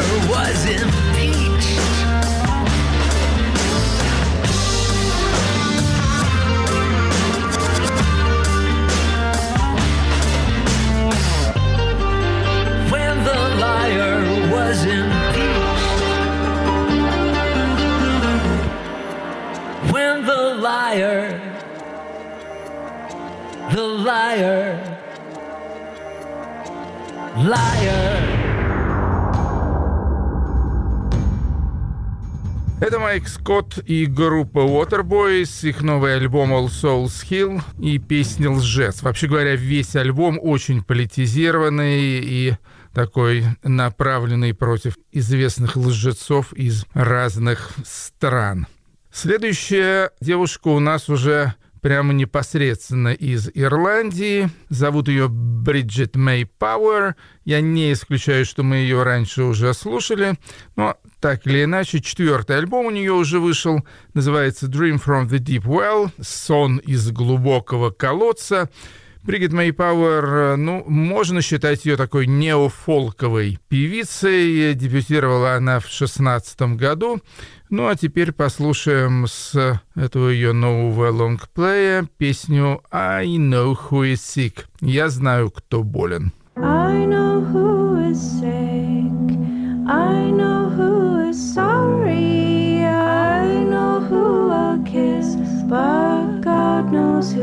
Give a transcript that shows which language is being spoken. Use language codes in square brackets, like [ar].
[en] Was impeached when the liar was impeached, when the liar, liar. [ru] Это Майк Скотт и группа Waterboys, их новый альбом All Souls Hill и песня «Лжец». Вообще говоря, весь альбом очень политизированный и такой направленный против известных лжецов из разных стран. Следующая девушка у нас уже прямо непосредственно из Ирландии. Зовут ее Бриджит Мэй Пауэр. Я не исключаю, что мы ее раньше уже слушали, но так или иначе, четвертый альбом у нее уже вышел, называется «Dream from the Deep Well» — «Сон из глубокого колодца». Бриджит Мэй Пауэр, ну, можно считать ее такой неофолковой певицей. Дебютировала она в 2016 году. Ну, а теперь послушаем с этого ее нового лонгплея песню «I know who is sick». «Я знаю, кто болен». [en] I know who is sick. I know who is sorry. I know who will kiss, but God knows.